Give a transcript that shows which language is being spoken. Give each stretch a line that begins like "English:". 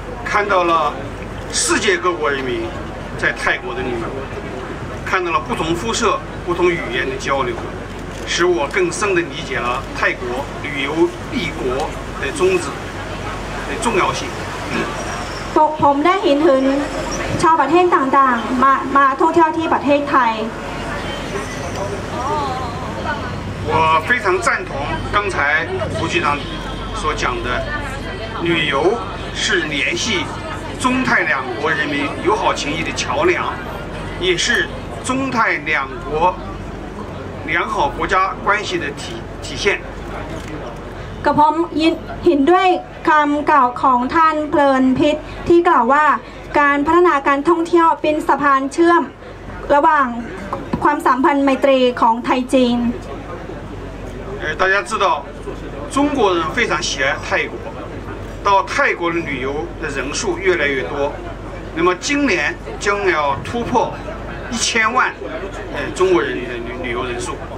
Chinese: 看到了世界各国人民在泰国的你们看到了不同肤色不同语言的交流使我更深地理解了泰国旅游立国的宗旨的重要性
Thai: ผมได้เห็นถึงชาวประเทศต่างๆมาท่องเที่ยวที่ประเทศไทย
Chinese: 我非常赞同刚才胡局长所讲的旅游是联系中泰两国人民友好情谊的桥梁也是中泰两国良好国家关系的体现
Thai: กับผมเห็นด้วยคำกล่าวของท่านเพลินพิษที่กล่าวว่าการพัฒนาการท่องเที่ยวเป็นสะพานเชื่อมระหว่างความสัมพันธ์ไมตรีของไทยจีน
Chinese: 大家知道中国人非常喜爱泰国到泰国的旅游的人数越来越多那么今年将要突破10,000,000中国人的旅游人数